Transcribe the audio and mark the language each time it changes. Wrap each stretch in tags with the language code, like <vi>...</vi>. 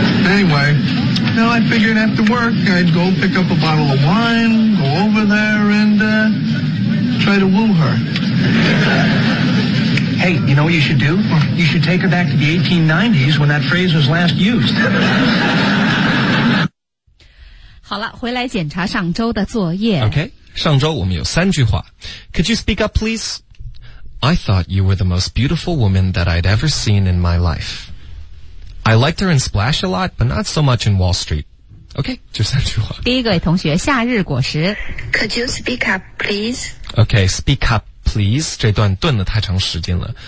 <en>Anyway, you know, I figured after work, I'd go pick up a bottle of wine, go over there, and try to woo her. Hey, you know what you should do? You should take her back to the 1890s when that phrase was last used.</en> <zh>好了，回来检查上周的作业。 OK, 上周我们有三句话。</zh> <en>Could you speak up, please? I thought you were the most beautiful woman that I'd ever seen in my life. I liked her in Splash a lot, but not so much in Wall Street.</en> <zh>OK, 就三句话。第一个同学，夏日果实。</zh> <en>Could you speak up, please?</en> <zh>OK,</zh> <en>speak up. Please,</en> <zh>这段顿了太长时间了。</zh>